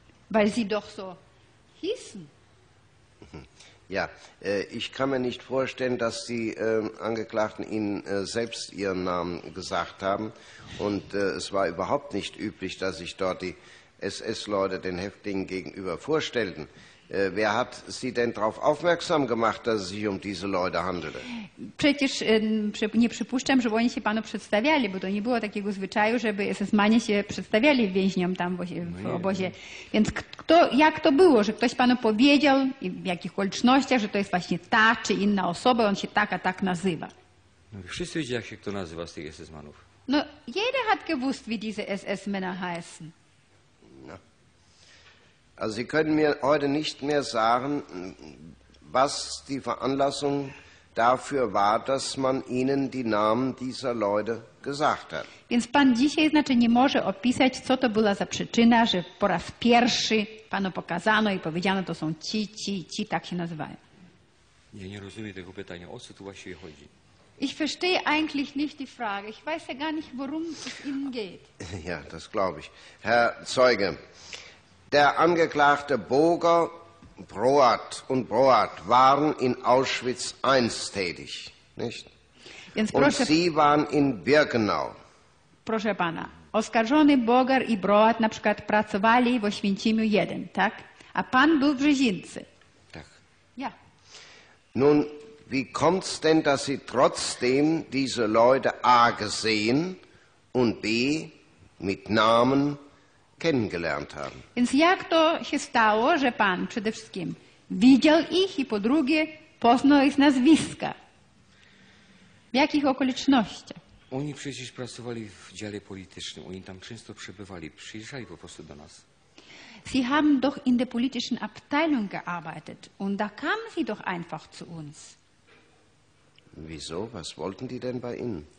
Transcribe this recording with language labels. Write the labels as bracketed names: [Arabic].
[German] Weil sie doch so hießen. Ja, ich kann mir nicht vorstellen, dass die Angeklagten Ihnen selbst ihren Namen gesagt haben. Und es war überhaupt nicht üblich, dass sich dort die SS-Leute den Häftlingen gegenüber vorstellten. Wer hat Sie denn darauf aufmerksam gemacht, dass es sich um diese Leute handelte? [Polish] Przecież nie przypuszczam, żeby oni się panu przedstawiali, bo to nie było takiego zwyczaju, żeby SS-manie się przedstawiali więźniom tam w obozie. Więc jak to było, że ktoś panu powiedział, w jakich okolicznościach, że to jest właśnie ta czy inna osoba, on się tak a tak nazywa? No, wszyscy wiedzieli, jak się kto nazywa z tych SS-manów. [German] No, jeder hat gewusst, wie diese SS-Männer heißen. Also Sie können mir heute nicht mehr sagen, was die Veranlassung dafür war, dass man Ihnen die Namen dieser Leute gesagt hat. [Polish] Więc pan dzisiaj znaczy nie może opisać, co to była za przyczyna, że po raz pierwszy panu pokazano i powiedziano, to są ci, ci, ci, tak się nazywają. Ja nie rozumiem tego pytania, o co tu właściwie chodzi? [German] Ich verstehe eigentlich nicht die Frage. Ich weiß ja gar nicht, worum es Ihnen geht. Ja, das glaube ich. Herr Zeuge, der Angeklagte Boger, Broad und Broad waren in Auschwitz I tätig, nicht? [Polish] Więc [German] und Sie waren in Birkenau. [Polish] Proszę pana, oskarżony Boger i Broad na przykład pracowali w Oświęcimiu I, tak? A pan był w Brzezińce. Tak. [German] Ja. Nun, wie kommt's denn, dass Sie trotzdem diese Leute A gesehen und B mit Namen kennengelernt haben. [Polish] Więc jak to się stało, że pan przede wszystkim widział ich i po drugie poznał ich nazwiska? W jakich okolicznościach? Oni przecież pracowali w dziale politycznym, oni tam często przebywali, przyjeżdżali po prostu do nas. [German] Sie haben doch in der politischen Abteilung gearbeitet und da kamen sie doch einfach zu uns. Wieso? Was wollten die denn bei Ihnen?